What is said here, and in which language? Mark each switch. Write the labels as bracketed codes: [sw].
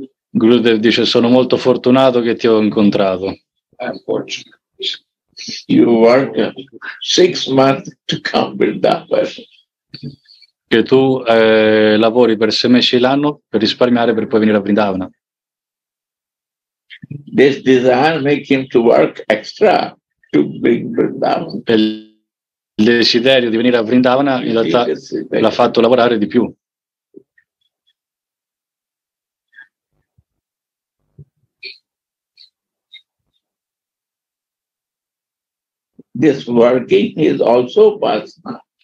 [it] Gurudev dice: sono molto fortunato che ti ho incontrato. [en] You work 6 months to come Vrindavan. [it] Che tu lavori per 6 mesi l'anno per risparmiare per poi venire a Vrindavana. [en] This desire make him to work extra to bring Vrindavan. [it] Il desiderio di venire a Vrindavana in realtà l'ha fatto lavorare di più. [en] This working is also Upasana.